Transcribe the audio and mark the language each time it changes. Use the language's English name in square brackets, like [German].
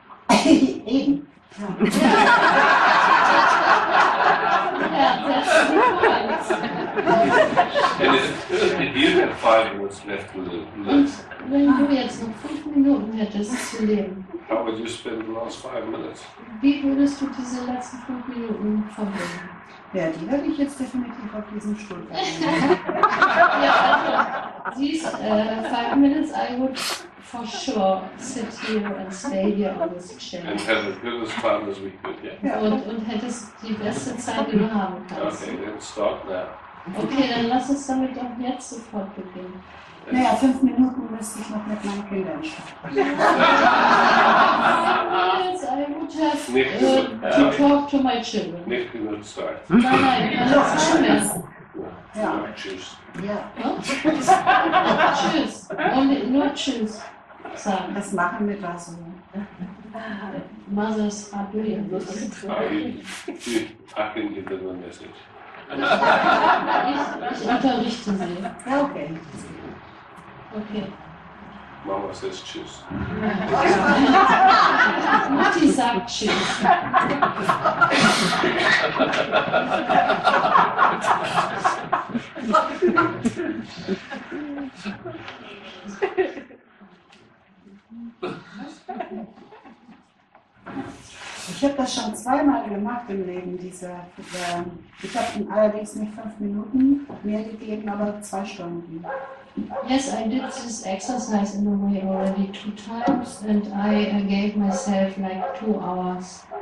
[English] And if you had 5 minutes left to live, [German] wenn du jetzt noch 5 Minuten hättest zu leben, [English] how would you spend the last 5 minutes? [German] Wie würdest du diese letzten 5 Minuten verbringen? Ja, die werde ich jetzt definitiv auf diesem Stuhl verbringen. Ja, also, [English] these 5 minutes I would for sure sit here and stay here on this chair. And have as good a time as we could, yeah. Yeah. [German] Und hättest die beste Zeit, die du haben kannst. [English] Okay, then start now. [German] Okay, dann lass es damit doch jetzt sofort beginnen. Naja, 5 Minuten müsste ich noch mit meinen Kindern schaffen. [English] I would have to talk to my children. [German] Nicht genug Zeit. Nein, das ist schon mehr. Ja. Tschüss. Ja. Tschüss. Und nur tschüss sagen. Das machen wir da so. [English] Mothers are brilliant. I can give them a message. [German] Ich unterrichte sie. Ja, okay. Okay. [English] Mama says tschüss. [German] Mutti sagt tschüss. Ich habe das schon 2 Mal gemacht im Leben, ich habe allerdings nicht 5 Minuten mehr gegeben, aber 2 Stunden. [English] Yes, I did this exercise in a way already 2 times and I gave myself like 2 hours.